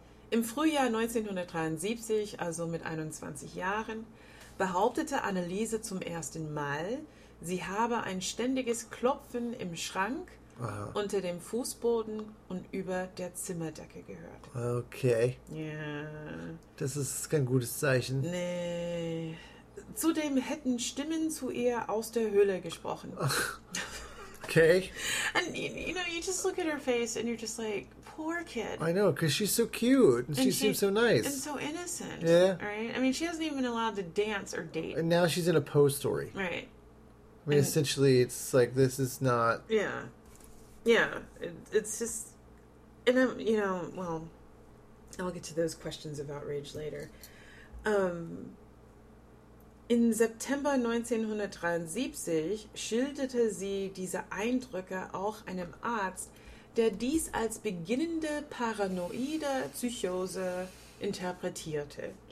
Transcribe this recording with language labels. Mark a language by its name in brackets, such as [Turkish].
[German] Im Frühjahr 1973, also mit 21 Jahren, behauptete Anneliese zum ersten Mal, sie habe ein ständiges Klopfen im Schrank, aha, unter dem Fußboden und über der Zimmerdecke gehört. [English] Okay. [German] Ja. Yeah. Das ist kein gutes Zeichen. Nee. Zudem hätten Stimmen zu ihr aus der Höhle gesprochen. [English] Okay. And you know, you just look at her face and you're just like, poor kid. I know, because she's so cute and she seems so nice. And so innocent. Yeah. Right? I mean, she hasn't even been allowed to dance or date. And now she's in a Poe story. Right. I mean, and essentially, it's like, this is not... Yeah. Yeah. It's just... And, you know, well, I'll get to those questions of outrage later. [German] In September 1973 schilderte sie diese Eindrücke auch einem Arzt, der dies als beginnende paranoide Psychose interpretierte.